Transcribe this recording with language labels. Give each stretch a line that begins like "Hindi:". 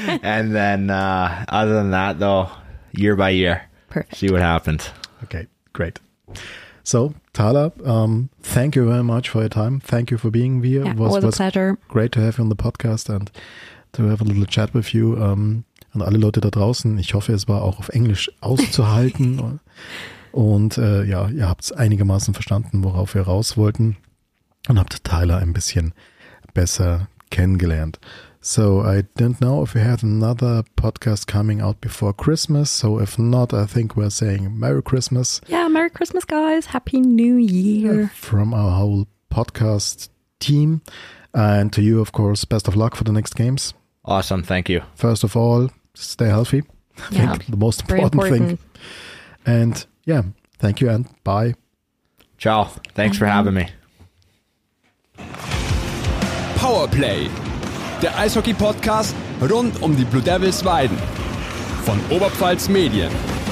English: And then other than that, though, year by year. Perfect. See what happens. Okay, great. So, Tala, thank you very much for your time. Thank you for being here. Yeah, it was a pleasure. Great to have you on the podcast and to have a little chat with you.
German: an alle Leute da draußen. Ich hoffe, es war auch auf Englisch auszuhalten. Und ja, ihr habt es einigermaßen verstanden, worauf wir raus wollten. Und habt Tyler ein bisschen besser kennengelernt.
English: So, I don't know if we have another podcast coming out before Christmas. So, if not, I think we're saying Merry Christmas. Yeah, Merry Christmas, guys. Happy New Year. From our whole podcast team. And to you, of course, best of luck for the next games. Awesome. Thank you. First of all, stay healthy. Yeah, I think the most important thing. And yeah, thank you and bye. Ciao. Thanks for having me.
German: Powerplay, der Eishockey-Podcast rund um die Blue Devils Weiden von Oberpfalz Medien.